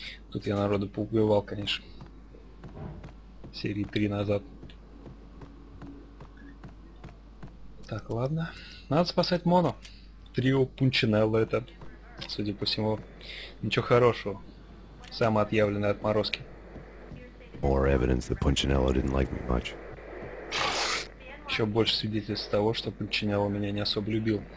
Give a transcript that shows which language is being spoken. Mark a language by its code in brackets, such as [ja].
[ru] Тут я народу поубивал, конечно. Серии 3 назад. Так, ладно. Надо спасать Моно. Трио Пунчинелло это, судя по всему, ничего хорошего. Самоотъявленные отморозки. [en] More evidence that Punchinello didn't like me much. [ru] Еще больше свидетельств того, что Пунчинелло меня не особо любил.